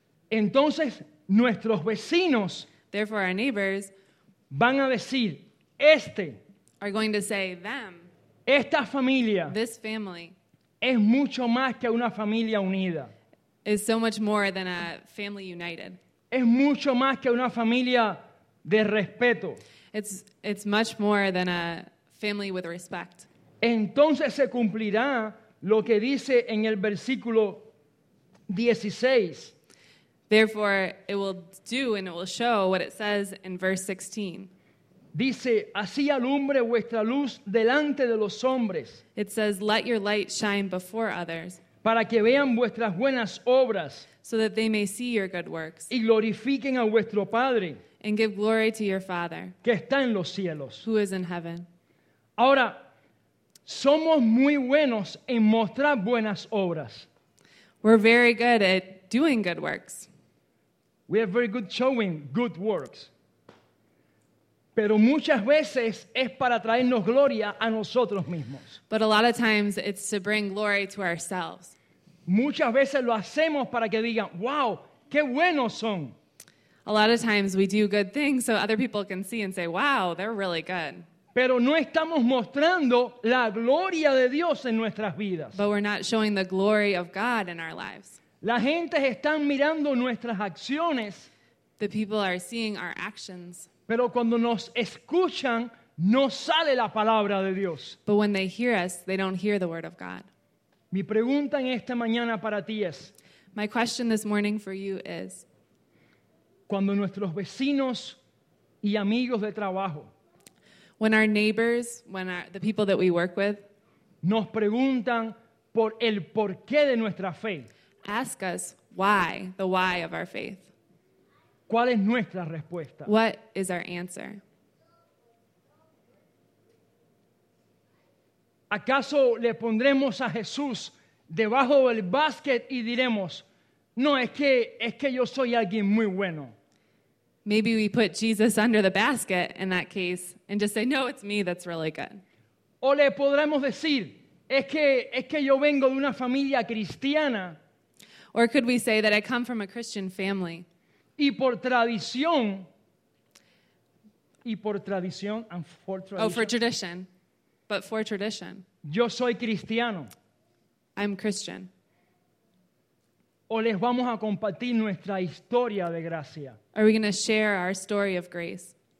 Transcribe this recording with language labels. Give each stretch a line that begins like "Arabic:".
Spanish: Entonces, nuestros vecinos,
English: therefore our neighbors,
Spanish: van a decir, este,
English: are going to say, them,
Spanish: esta familia,
English: this family,
Spanish: es mucho más que una familia unida.
English: Is so much more than a family united.
Spanish: Es mucho más que una familia de respeto.
English: It's much more than a family with respect.
Spanish: Entonces se cumplirá lo que dice en el versículo 16.
English: Therefore, it will do and it will show what it says in verse 16.
Spanish: Dice, así alumbre vuestra luz delante de los hombres.
English: It says, let your light shine before others.
Spanish: Para que vean vuestras buenas obras.
English: So that they may see your good works.
Spanish: Y glorifiquen a vuestro Padre.
English: and give glory to your Father
Spanish: que está en los cielos.
English: Who is in heaven.
Spanish: Ahora, somos muy buenos en mostrar buenas obras.
English: We're very good at doing good works. We are very good showing good works.
Spanish: Pero muchas veces es para traernos gloria a nosotros mismos.
English: But a lot of times it's to bring glory to ourselves.
Spanish: Muchas veces lo hacemos para que digan, wow, qué buenos son.
English: A lot of times we do good things so other people can see and say, wow, they're really good.
Spanish: Pero no estamos mostrando la gloria de Dios en nuestras vidas.
English: But we're not showing the glory of God in our lives.
Spanish: La gente está mirando nuestras acciones.
English: The people are seeing our actions.
Spanish: Pero cuando nos escuchan, no sale la palabra de Dios.
English: But when they hear us, they don't hear the word of God.
Spanish: Mi pregunta en esta mañana para ti es,
English: my question this morning for you is,
Spanish: cuando nuestros vecinos y amigos de trabajo,
English: when our neighbors, when our, the people that we work with,
Spanish: nos preguntan por el porqué de nuestra fe,
English: ask us why, the why of our faith.
Spanish: ¿Cuál es nuestra respuesta?
English: What is our answer?
Spanish: ¿Acaso le pondremos a Jesús debajo del basket y diremos, no, es que yo soy alguien muy bueno?
English: Maybe we put Jesus under the basket in that case and just say, no, it's me that's really good.
Spanish: O le podremos decir, es que yo vengo de una familia cristiana.
English: Or could we say that I come from a Christian family? For tradition.
Spanish: Yo soy cristiano.
English: I'm Christian.
Spanish: O les vamos a compartir nuestra historia de gracia.
English: Are we going to share our story of grace?